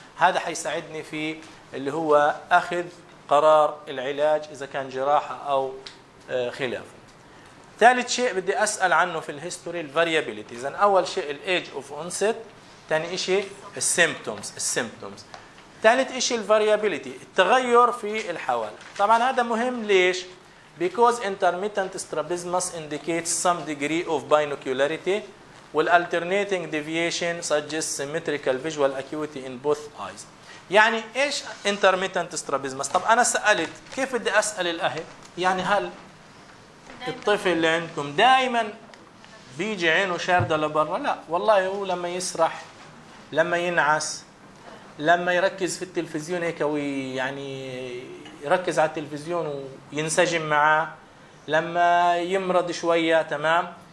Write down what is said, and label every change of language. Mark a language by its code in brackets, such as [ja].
[ar] هذا حيساعدني في اللي هو اخذ قرار العلاج اذا كان جراحه او خلاف. ثالث شيء بدي اسال عنه في الهيستوري الفاريابيليتي. اذا اول شيء الايج اوف اونست، ثاني شيء السيمبتومز، ثالث شيء الفاريابيليتي التغير في الحوالة. طبعا هذا مهم ليش؟ [en] Because intermittent strabismus indicates some degree of binocularity والalternating deviation suggests symmetrical visual acuity in both eyes. [ar] يعني ايش intermittent strabismus؟ طب انا سألت كيف بدي اسأل الاهل؟ يعني هل الطفل اللي عندكم دائما بيجي عينه شاردة لبرا؟ لا والله، هو لما يسرح، لما ينعس، لما يركز في التلفزيون هيك ويعني يركز على التلفزيون وينسجم معاه، لما يمرض شوية تمام